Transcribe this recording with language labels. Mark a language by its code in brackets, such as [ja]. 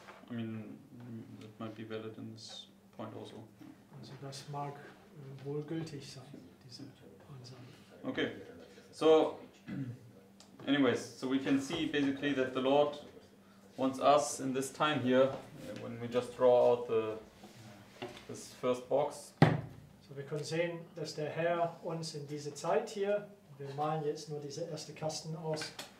[en] I mean, that might be valid in this point also. [de] Also das mag wohl gültig sein, diese Ansage. [en] Okay. So, anyways, so we can see basically that the Lord wants us in this time here, when we just draw out this first box. [de] So wir können sehen, dass der Herr uns in diese Zeit hier, wir malen jetzt nur diese erste Kasten aus.